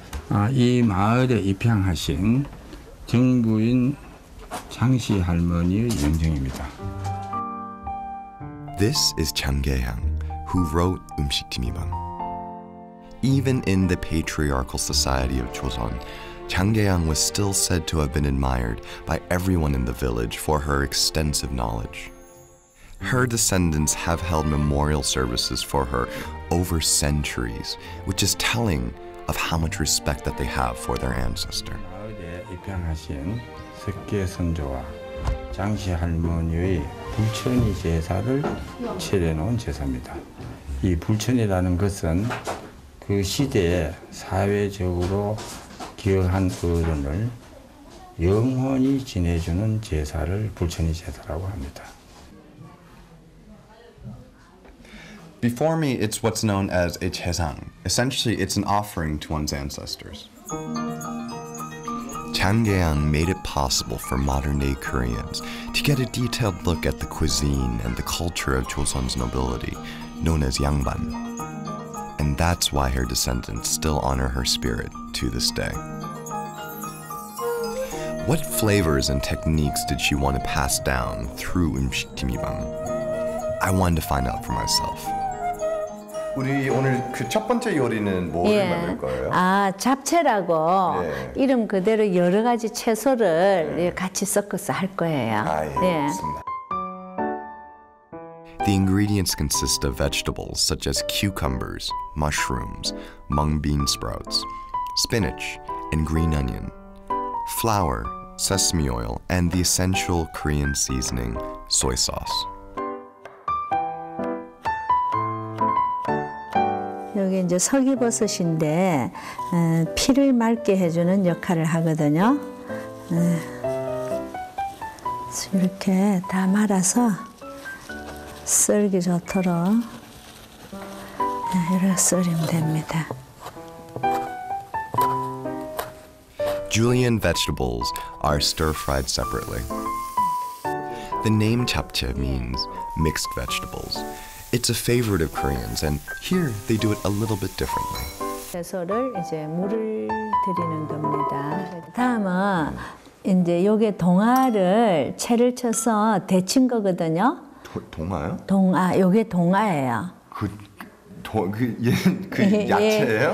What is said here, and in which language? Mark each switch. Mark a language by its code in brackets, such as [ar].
[ko] 아, 이 마을에 입양하신 정부인 창시 할머니의 연정입니다. [en] This is Chang Gaehyang, who wrote 음식 디미방. Even in the patriarchal society of Joseon, Chang Gaehyang was still said to have been admired by everyone in the village for her extensive knowledge. Her descendants have held memorial services for her over centuries, which is telling of how much respect that they have for their ancestor. [ko] 입양하신 석계 선조와 장씨 할머니의 불천이 제사를 치려놓은 제사입니다. 이 불천이라는 것은 그 시대에 사회적으로 기여한 어른을 영원히 지내주는 제사를 불천이 제사라고 합니다. [en] Before me, it's what's known as a 제상. Essentially, it's an offering to one's ancestors. Chang Gaehyang made it possible for modern-day Koreans to get a detailed look at the cuisine and the culture of Joseon's nobility, known as Yangban. And that's why her descendants still honor her spirit to this day. What flavors and techniques did she want to pass down through 음식 디미방? I wanted to find out for myself. [ko] 우리 오늘 그 첫 번째 요리는 뭐를 예. 만들 거예요? 아, 잡채라고 예. 이름 그대로 여러 가지 채소를 예. 같이 섞어서 할 거예요. 아, 예, 예. 알겠습니다. [en] The ingredients consist of vegetables such as cucumbers, mushrooms, mung bean sprouts, spinach, and green onion, flour, sesame oil, and the essential Korean seasoning, soy sauce. [ko] 여기 이제 석이버섯인데 피를 맑게 해주는 역할을 하거든요. 이렇게 다 말아서 썰기 좋도록 이렇게 썰으면 됩니다. [en] Julienne vegetables are stir-fried separately. The name 잡채 means mixed vegetables. It's a favorite of Koreans, and here they do it a little bit differently. [ko] 채소를 이제 물을 들이는 겁니다. 다음은 이제 요게 동아를 채를 쳐서 데친 거거든요. 동아요? 동아, 요게 동아예요. 그 야채예요?